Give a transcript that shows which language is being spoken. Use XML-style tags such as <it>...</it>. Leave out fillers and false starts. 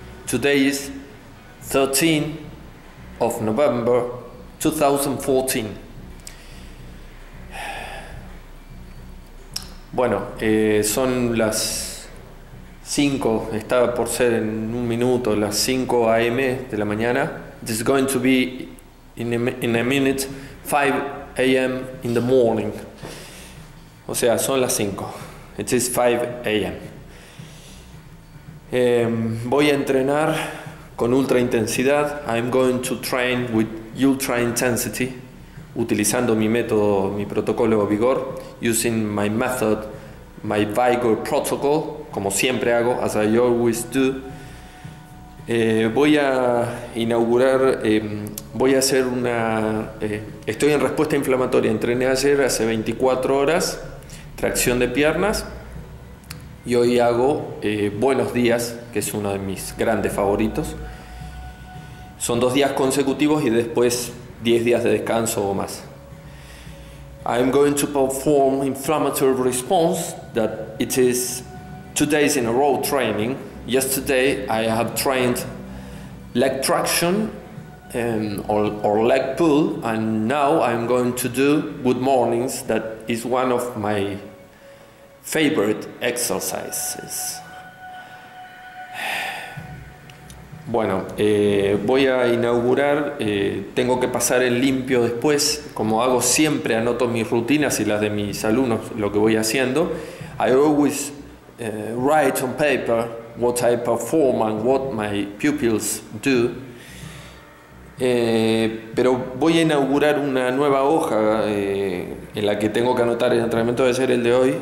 <en>Today is 13 of November 2014.</en> <es>Bueno, son las 5, estaba por ser en un minuto, las 5 a.m. de la mañana.</es> <en>This is going to be in a minute, 5 a.m. in the morning.</en> <es>O sea, son las 5.</es> <en>It is 5 a.m.</en> <es>Voy a entrenar con ultra intensidad.</es> <en>I'm going to train with ultra intensity,</en> <es>utilizando mi método, mi protocolo Vigor,</es> <en>using my method, my Vigor protocol,</en> <es>como siempre hago,</es> <en>as I always do.</en> <es>Voy a inaugurar, voy a hacer una. Estoy en respuesta inflamatoria. Entrené ayer, hace 24 horas, tracción de piernas. Y hoy hago Buenos Días, que es uno de mis grandes favoritos. Son 2 días consecutivos y después 10 días de descanso o más.</es> <en>I'm going to perform inflammatory response that it is 2 days in a row training. Yesterday I have trained leg traction or leg pull, and now I'm going to do good mornings. That is one of my favorite exercises.</en> <es>Bueno, voy a inaugurar. Tengo que pasar en limpio después. Como hago siempre, anoto mis rutinas y las de mis alumnos, lo que voy haciendo.</es> <en>I always write on paper what I perform and what my pupils do.</en> <es>Pero voy a inaugurar una nueva hoja en la que tengo que anotar el entrenamiento, debe ser el de hoy.</es>